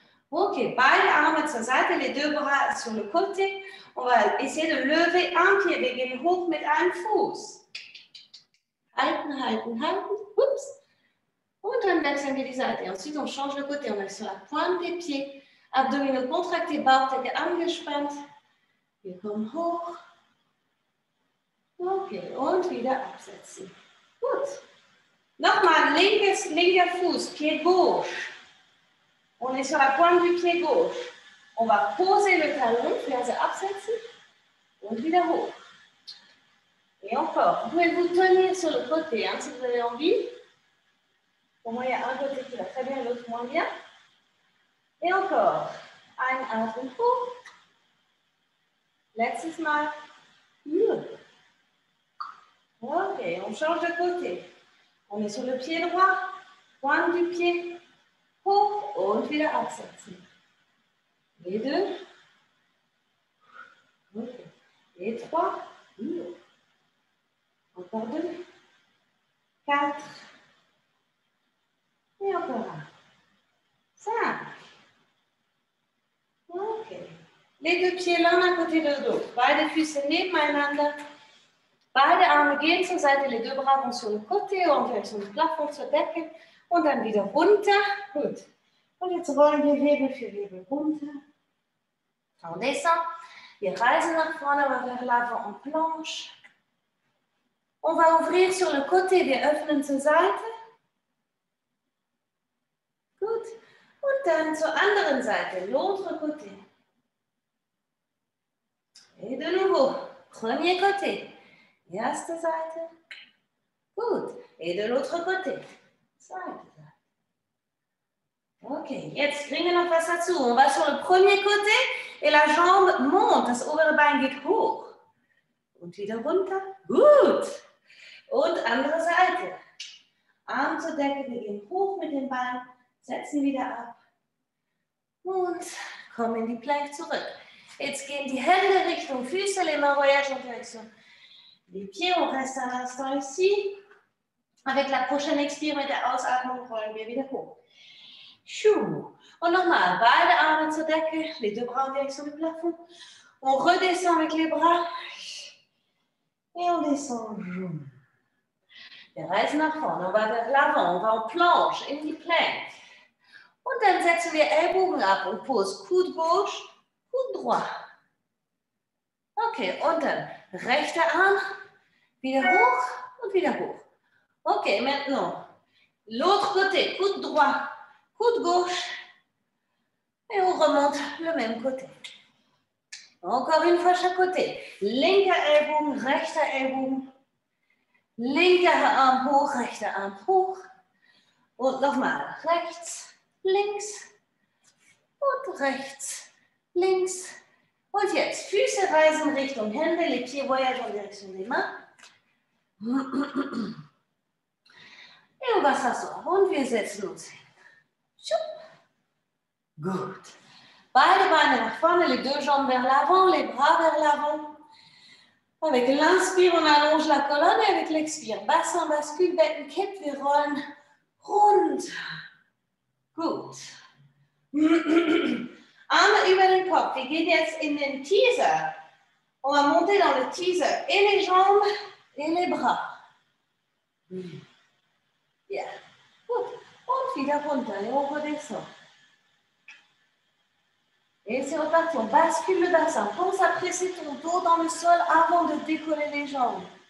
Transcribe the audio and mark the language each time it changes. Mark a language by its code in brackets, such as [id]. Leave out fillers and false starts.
[fr] Okay, [de] beide Arme zur Seite, [fr] les deux bras sur le côté. On va essayer de lever un pied. [de] Wir gehen hoch mit einem Fuß. Halten, halten, halten. Ups. Und dann wechseln wir die Seite. [fr] Ensuite, on change le côté. On est sur la pointe des pieds. Abdominaux contractés, [de] Bauchdecke angespannt. Wir kommen hoch. Okay, und wieder absetzen. Gut. Nochmal, linker Fuß, [fr] Pied gauche. On est sur la pointe du pied gauche. On va poser le talon, [de] Ferse absetzen und wieder hoch. [fr] Et encore. Vous pouvez vous tenir sur le côté, hein, si vous avez envie. Au moins, il y a un côté qui va très bien, l'autre moins bien. Et encore. [de] Einatmen hoch. Letztes Mal. [fr] Ok, on change de côté. On est sur le pied droit, pointe du pied. [de] Hoch und wieder absetzen. [fr] Et deux. Okay. Et trois. Encore deux. Quatre. Et encore un. Cinq. Ok. Les deux pieds l'un à côté de l'autre. [de] Beide Füße nebeneinander. Beide Arme gehen zur Seite. [fr] Les deux bras vont sur le côté. On fait sur le plafond, [de] zur Decke. Und dann wieder runter. Gut. Und jetzt rollen wir Hebel für Hebel runter. [fr] En descend. [de] Wir reisen nach vorne, aber wir laufen [fr] en planche. On va ouvrir sur le côté, [de] wir öffnen zur Seite. Gut. Und dann zur anderen Seite, [fr] l'autre côté. Et de nouveau. Premier côté. [de] Erste Seite. [fr] Gut. Et de l'autre côté. Zweite. [de] Ok, jetzt bringen wir noch was dazu. [fr] On va sur le premier côté et la jambe monte. [de] Das obere Bein geht hoch. Und wieder runter. Gut. Und andere Seite. Arm zur Decke, wir gehen hoch mit dem Bein, setzen wieder ab. Und kommen in die Plank zurück. Jetzt gehen die Hände Richtung Füße, [fr] les mains voyagent en direction des pieds. On reste un instant ici. Avec la prochaine expire, [de] mit der Ausatmung rollen wir wieder hoch. Und nochmal, beide Arme zur Decke, [fr] les deux bras en direction du plafond. On redescend avec les bras. Et on descend. [de] Wir reisen nach vorne, [fr] on va vers l'avant, on va en planche, [de] in die plank. Und dann setzen wir Ellbogen ab und [fr] pose Coude gauche, Coude droit. [de] Okay, und dann rechter Arm, wieder hoch und wieder hoch. [fr] Okay, maintenant, l'autre côté, Coude droit. Coude gauche. Et on remonte le même côté. Encore une fois chaque côté. [de] Linker Ellbogen, rechter Ellbogen. Linker Arm hoch, rechter Arm hoch. Und nochmal. Rechts, links. Und rechts, links. Und jetzt. Füße reisen Richtung Hände. [fr] Les pieds voyagent en direction des mains. Et on va s'asseoir. [de] Und wir setzen uns hin. Gut. Beide Beine nach vorne, [fr] les deux jambes vers l'avant, les bras vers l'avant. Avec l'inspire, on allonge la colonne et avec l'expire, bassin bascule, [de] Beckenkipp, wir rollen rund. Gut. Arme über den Kopf. Wir gehen jetzt in den Teaser. [fr] On va monter dans le teaser. Et les jambes et les bras. [de] Yeah. Gut. Und wieder runter. [fr] Et on redescend. Et c'est reparti. On bascule le bassin. Pense à presser ton dos dans le sol avant de décoller les jambes.